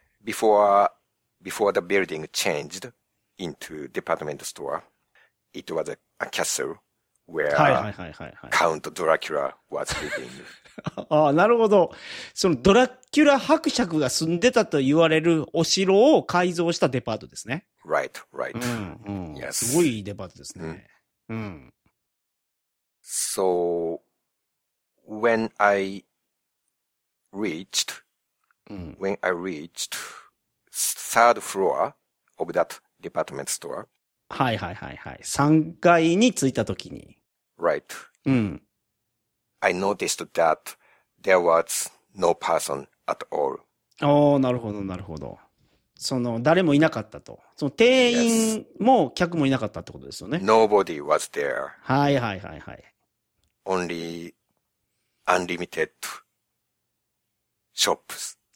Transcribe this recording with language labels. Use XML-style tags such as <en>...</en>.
<en>Before the building changed into department store, it was a castle where Count Dracula was living.</en> <ja>ああ、なるほど。そのドラキュラ伯爵が住んでたと言われるお城を改造したデパートですね。</ja> <en>Right, right.</en> <ja>うん、うん、</ja> <en>yes.</en> <ja>すごいデパートですね。うん。</ja> <en>So, when I reached,、</en> <ja>うん、</ja> <en>when I reached third floor of that department store.</en> <ja>はいはいはいはい。3階に着いたときに。</ja> <en>Right.</en> <ja>うん。</ja> <en>I noticed that there was no person at all.</en> <ja>おー、なるほど、なるほど。その、誰もいなかったと。その、店員も客もいなかったってことですよね。</ja> <en>Nobody was there.</en> <ja>はいはいはいはい。</ja> <en>Only unlimited shops.</en>